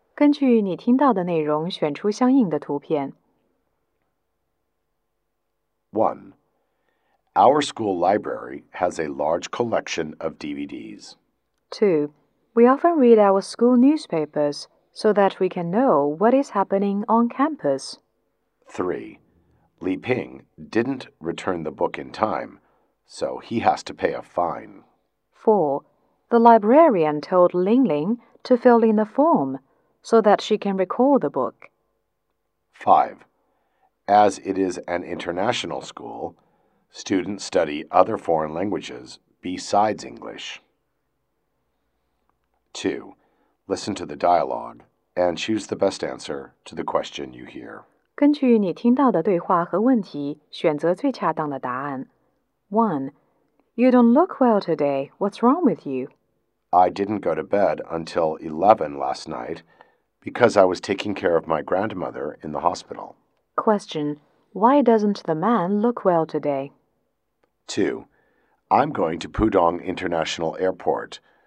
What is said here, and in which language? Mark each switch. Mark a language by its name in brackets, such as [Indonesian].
[Chinese] 根据你听到的内容选出相应的图片。 [English] 1. Our school library has a large collection of DVDs. 2. We often read our school newspapers so that we can know what is happening on campus. 3. Li Ping didn't return the book in time, so he has to pay a fine. 4. The librarian told Ling Ling to fill in the form so that she can recall the book. 5. As it is an international school, students study other foreign languages besides English. 2. Listen to the dialogue and choose the best answer to the question you hear. [Chinese] 根据你听到的对话和问题，选择最恰当的答案。 [English] 1. You don't look well today. What's wrong with you? I didn't go to bed until 11 last night because I was taking care of my grandmother in the hospital. Question, why doesn't the man look well today? 2. I'm going to Pudong International Airport.